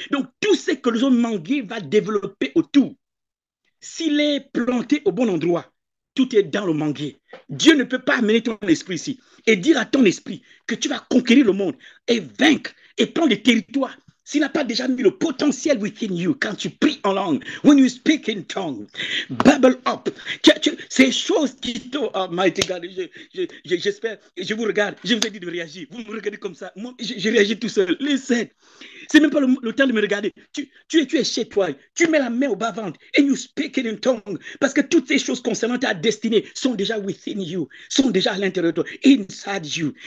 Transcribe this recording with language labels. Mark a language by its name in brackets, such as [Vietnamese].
[French] Donc, tout ce que le manguier va développer autour, s'il est planté au bon endroit, tout est dans le manguier. Dieu ne peut pas amener ton esprit ici et dire à ton esprit que tu vas conquérir le monde et vaincre et prendre des territoires s'il n'a pas déjà mis le potentiel [English] within you [French] quand tu pries en langue. [English] When you speak in tongues, bubble up. [French] Ces choses qui t'ont... [English] Oh, mighty God, [French] j'espère, je vous regarde, je vous ai dit de réagir. Vous me regardez comme ça, moi, je réagis tout seul. [English] Listen, [French] c'est même pas le temps de me regarder. Tu es chez toi, tu mets la main au bas-ventre [English] and you speak in tongues [French] parce que toutes ces choses concernant ta destinée sont déjà [English] within you, [French] sont déjà à l'intérieur de toi, [English] inside you.